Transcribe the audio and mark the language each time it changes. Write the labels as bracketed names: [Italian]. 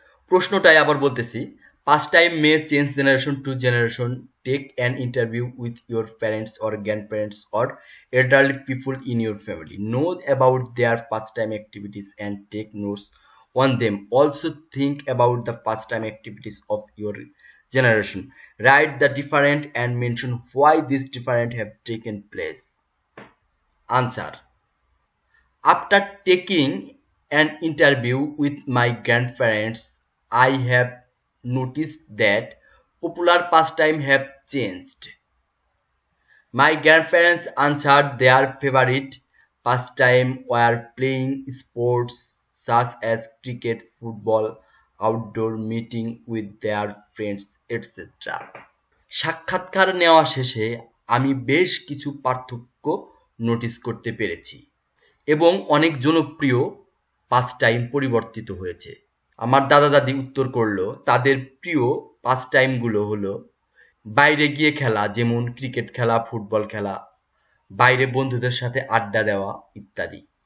[Bangla] প্রশ্নটাই আবার বলতেছি, [English] Pastime may change generation to generation, take an interview with your parents or grandparents or elderly people in your family, know about their pastime activities and take notes on them, also think about the pastime activities of your generation, write the different and mention why this different have taken place. Answer, after taking an interview with my grandparents I have noticed that popular pastime have changed. My grandparents answered their favorite pastime were playing sports such as cricket, football, outdoor meeting with their friends, etc. [Bangla] সাক্ষাৎকার নেওয়া শেষে আমি বেশ কিছু পার্থক্য notice করতে পেরেছি এবং অনেক জনপ্রিয় পাস্টাইম পরিবর্তিত হয়েছে। আমার দাদা দাদি উত্তর করল, তাদের প্রিয় পাস্ট টাইমগুলো হলো বাইরে গিয়ে খেলা, যেমন ক্রিকেট খেলা, ফুটবল খেলা, বাইরে বন্ধুদের সাথে আড্ডা দেওয়া ইত্যাদি।